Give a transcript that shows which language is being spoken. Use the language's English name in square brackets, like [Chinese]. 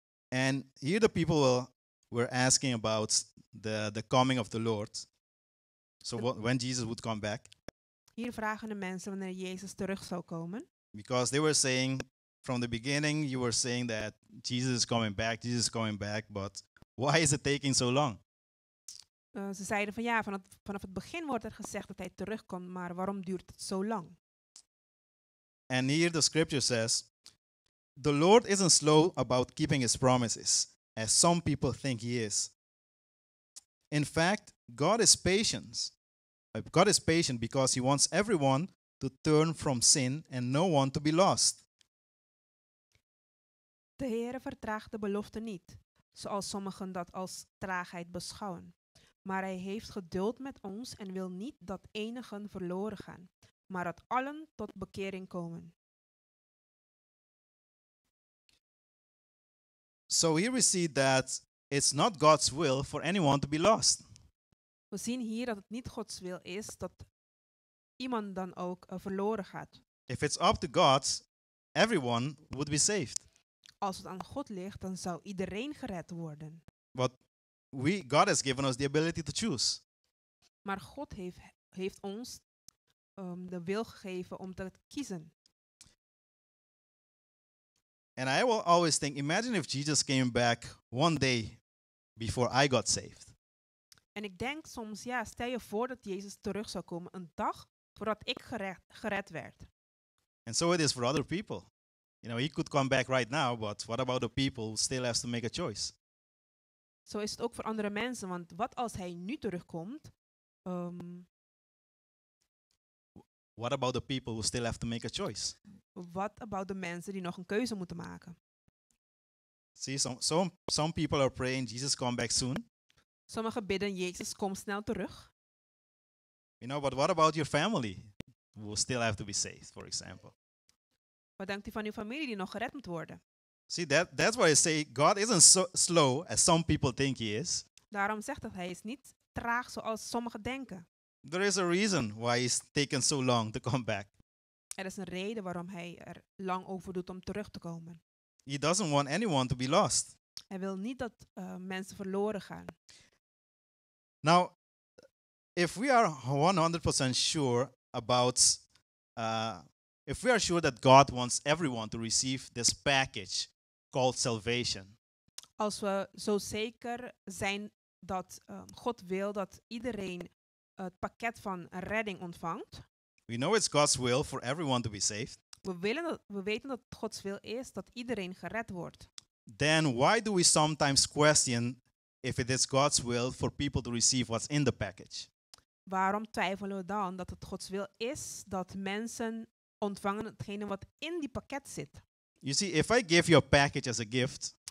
[English] And here the people were asking about the coming of the Lord. So when Jesus would come back. [Dutch] Hier vragen de mensen wanneer Jezus terug zou komen. [English] Because they were saying, from the beginning you were saying that Jesus is coming back, but why is it taking so long? [Dutch] Ze zeiden van ja, vanaf het begin wordt er gezegd dat hij terugkomt, maar waarom duurt het zo lang? [English] And here the scripture says, the Lord isn't slow about keeping his promises, as some people think he is. In fact, God is patient because he wants everyone to turn from sin and no one to be lost. [Dutch] De Heere vertraagt de belofte niet, zoals sommigen dat als traagheid beschouwen. Maar hij heeft geduld met ons en wil niet dat enigen verloren gaan, maar dat allen tot bekering komen. [English] So here we see that it's not God's will for anyone to be lost. [Dutch] We zien hier dat het niet Gods wil is dat iemand dan ook verloren gaat. [English] If it's up to God, everyone would be saved. [Dutch] Als het aan God ligt, dan zou iedereen gered worden. [English] But God has given us the ability to choose. [Dutch] Maar God heeft ons de wil gegeven om te kiezen. [English] And I will always think, imagine if Jesus came back one day before I got saved. [Dutch] En ik denk soms, ja, stel je voor dat Jezus terug zou komen een dag voordat ik gered werd. [English] And so it is for other people. You know, he could come back right now, but what about the people who still have to make a choice? [Dutch] Zo is het ook voor andere mensen, want wat als hij nu terugkomt? [English] What about the people who still have to make a choice? What about the [Dutch] mensen die nog een keuze moeten maken? [English] See, some people are praying Jesus come back soon. [Dutch] Sommigen bidden Jezus kom snel terug. [English] You know, but what about your family who still have to be saved, for example? [Dutch] Wat denkt u van uw familie die nog gered moet worden? [English] See, that's why I say God isn't so slow as some people think he is. [Dutch] Daarom zegt dat hij is niet traag zoals sommigen denken. [English] There is a reason why he's taken so long to come back. [Dutch] Er is een reden waarom hij er lang over doet om terug te komen. [English] He doesn't want anyone to be lost. [Dutch] Hij wil niet dat mensen verloren gaan. [English] Now, if we are 100% sure about, if we are sure that God wants everyone to receive this package called salvation. [Dutch] Als we zo zeker zijn dat God wil dat iedereen het pakket van redding ontvangt. [English] We know it's God's will for everyone to be saved. [Dutch] We weten dat Gods wil is dat iedereen gered wordt. [English] Then why do we sometimes question if it is God's will for people to receive what's in the package? [Dutch] Waarom twijfelen we dan dat het Gods wil is dat mensen ontvangen hetgene wat in die pakket zit? [English] You see, if I give you a package as a gift.